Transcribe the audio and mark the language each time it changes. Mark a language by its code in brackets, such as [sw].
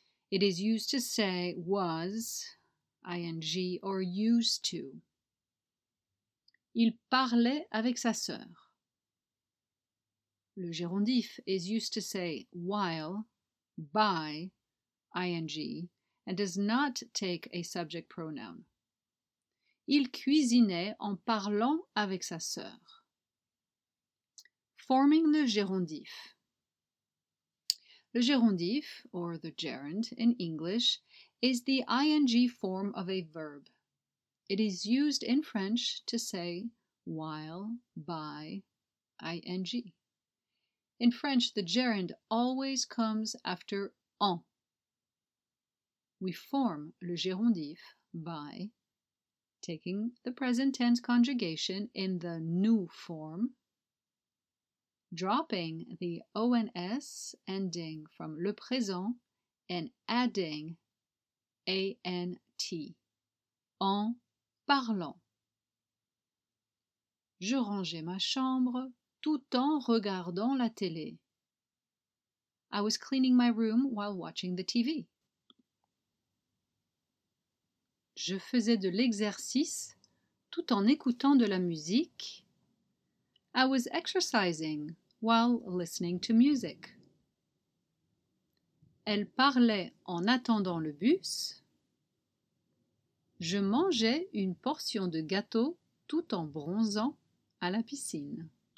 [en] It is used to say was, ing, or used to. [fr] Il parlait avec sa sœur. [en] Le gérundif is used to say while, by, ing, and does not take a subject pronoun. [fr] Il cuisinait en parlant avec sa sœur. [en] Forming le gérundif. Le gérundif, or the gerund in English, is the ing form of a verb. It is used in French to say while, by, ing. In French, the gerund always comes after en. We form le gérundif by taking the present tense conjugation in the nous form, dropping the ons ending from le présent and adding ant, [fr] en parlant. Je rangeais ma chambre tout en regardant la télé. [en] I was cleaning my room while watching the TV. [fr] Je faisais de l'exercice tout en écoutant de la musique. [en] I was exercising while listening to music. [fr] Elle parlait en attendant le bus. Je mangeais une portion de gâteau tout en bronzant à la piscine.